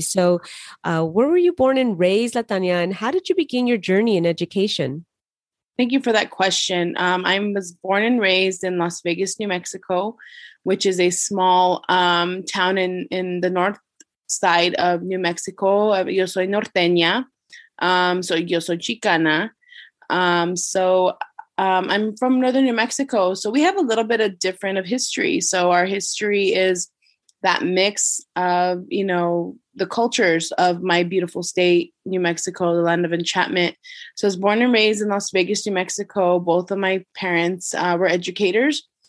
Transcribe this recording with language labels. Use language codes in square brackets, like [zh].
[en] So where were you born and raised, Latania? And how did you begin your journey in education? Thank you for that question. I was born and raised in Las Vegas, New Mexico, which is a small town in the north side of New Mexico. [es] Yo soy norteña, [en] so [es] yo soy chicana. [en] So I'm from northern New Mexico, so we have a little bit of different of history. So our history is that mix of, you know, the cultures of my beautiful state, New Mexico, the land of enchantment. So I was born and raised in Las Vegas, New Mexico. Both of my parents were educators.